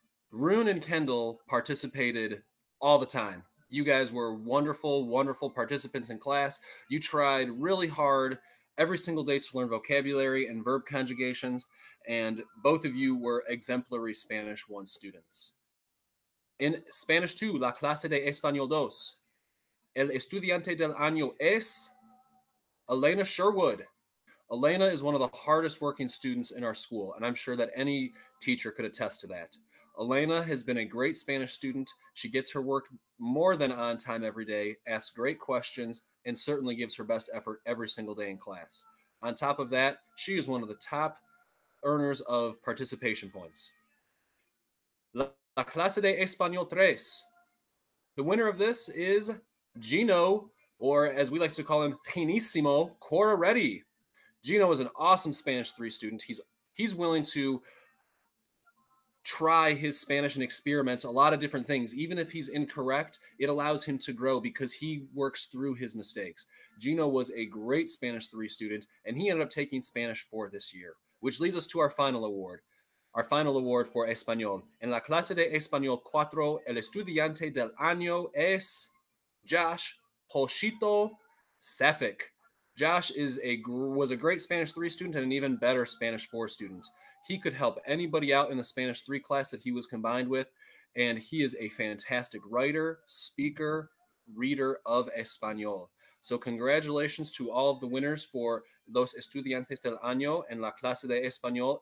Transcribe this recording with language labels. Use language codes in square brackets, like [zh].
[en] Rune and Kendall participated all the time. You guys were wonderful, wonderful participants in class. You tried really hard every single day to learn vocabulary and verb conjugations, and both of you were exemplary Spanish 1 students. In Spanish 2, [es] La Clase de Español 2, El Estudiante del Año es Elena Sherwood. [en] Elena is one of the hardest working students in our school, and I'm sure that any teacher could attest to that. Elena has been a great Spanish student. She gets her work more than on time every day, asks great questions, and certainly gives her best effort every single day in class. On top of that, she is one of the top earners of participation points. [es] La Clase de Español 3. [en] The winner of this is Gino, or as we like to call him, Ginísimo Cora Reddy. Gino is an awesome Spanish 3 student. He's willing to try his Spanish and experiment a lot of different things. Even if he's incorrect, it allows him to grow because he works through his mistakes. Gino was a great Spanish 3 student, and he ended up taking Spanish 4 this year, which leads us to our final award. Our final award for Español. [es] En la clase de Español 4, el estudiante del año es Josh Polchito Safik. [en] Josh was a great Spanish 3 student and an even better Spanish 4 student. He could help anybody out in the Spanish 3 class that he was combined with, and he is a fantastic writer, speaker, reader of Español. So congratulations to all of the winners for [es] Los Estudiantes del Año [en] and La Clase de Español.